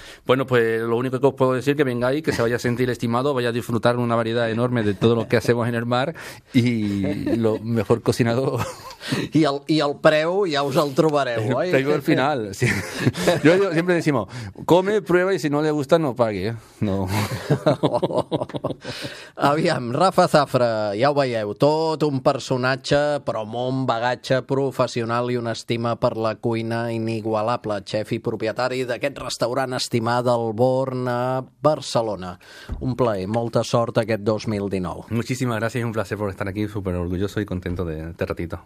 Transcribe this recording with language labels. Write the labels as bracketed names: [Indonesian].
[Spanish] Bueno, pues lo único que os puedo decir es que vengáis, que se vaya a sentir estimado, vaya a disfrutar una variedad enorme de todo lo que hacemos en el mar y lo mejor cocinado. Y el preu ya os [Catalan] el trobareu. [Spanish] Tengo el final. Sí. Yo siempre decimos, come, prueba y si no le gusta no pague. No. Oh. [Catalan] Aviam, Rafa Zafra, ja ho veieu, tot un personatge, però amb un bagatge professional i una estima per la cuina inigualable, xef i propietari d'aquest restaurant estimat al Born a Barcelona. Un plaer, molta sort aquest 2019. [Spanish] Muchísimas gracias, un placer por estar aquí, súper orgulloso y contento de este ratito.